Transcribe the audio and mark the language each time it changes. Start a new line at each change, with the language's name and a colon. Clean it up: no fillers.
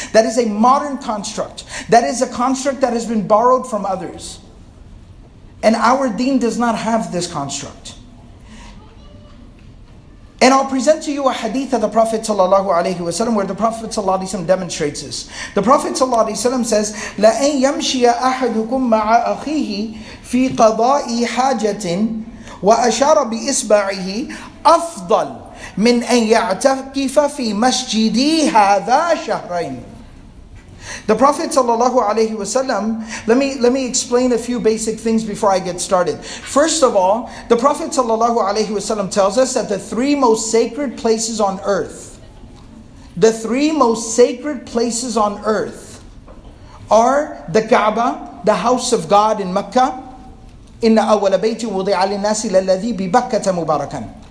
English: That is a modern construct. That is a construct that has been borrowed from others. And our deen does not have this construct. And I'll present to you a hadith of the Prophet ﷺ where the Prophet ﷺ demonstrates this. The Prophet ﷺ says,
Arabic: لَأَنْ يَمْشِيَ أَحَدُكُمْ مَعَ أَخِيهِ فِي قَضَاءِ حَاجَةٍ وَأَشَارَ بِإِصْبَعِهِ أَفْضَلْ مِنْ أَنْ يَعْتَكِفَ فِي مَسْجِدِ هَذَا شَهْرَيْنِ.
English: The Prophet sallallahu alayhi wa sallam, let me explain a few basic things before I get started. First of all, the Prophet sallallahu alayhi wa sallam tells us that the three most sacred places on earth, the three most sacred places on earth are the Kaaba, the house of God in Mecca,
Arabic: إن أول بيت وضع للناس الذي ببكة مباركا.